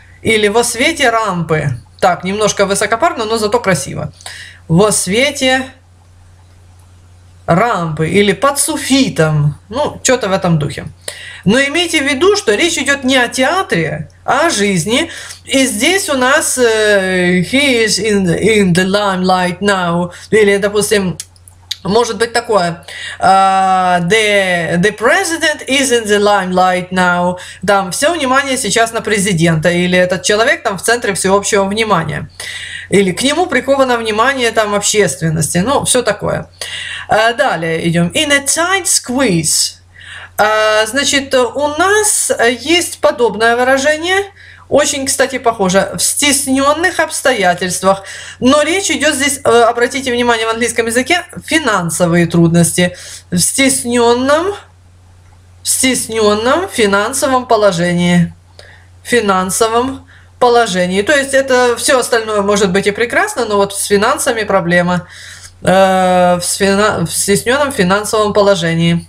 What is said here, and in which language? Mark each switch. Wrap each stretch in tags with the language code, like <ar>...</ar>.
<ru>Или во свете рампы. Так, немножко высокопарно, но зато красиво. Во свете рампы. Или под суфитом. Ну, что-то в этом духе. Но имейте в виду, что речь идет не о театре, а о жизни. И здесь у нас</ru> <en>he is in the limelight now.</en> <ru>Или, допустим, может быть такое.</ru> <en>The president is in the limelight now.</en> <ru>Там все внимание сейчас на президента. Или этот человек там в центре всеобщего внимания. Или к нему приковано внимание там общественности. Ну, все такое. Далее идем.</ru> <en>In a tight squeeze.</en> <ru>Значит, у нас есть подобное выражение, очень, кстати, похоже, в стесненных обстоятельствах, но речь идет здесь, обратите внимание, в английском языке финансовые трудности, в стесненном финансовом положении, то есть это все остальное может быть и прекрасно, но вот с финансами проблема, в стесненном финансовом положении.</ru>